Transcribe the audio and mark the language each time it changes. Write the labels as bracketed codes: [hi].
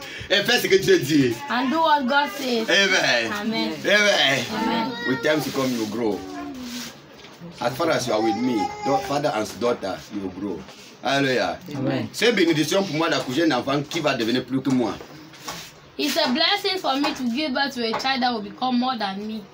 [fr] Et fais ce que Dieu dit. [en] And do what God says. Amen. Amen. Amen. Amen. With time to come, you grow. As far as you are with me, father and daughter, you will grow. Alléluia. Amen. [fr] C'est bénédiction pour moi d'accoucher un enfant qui va devenir plus que moi. [en] It's a blessing for me to give birth to a child that will become more than me.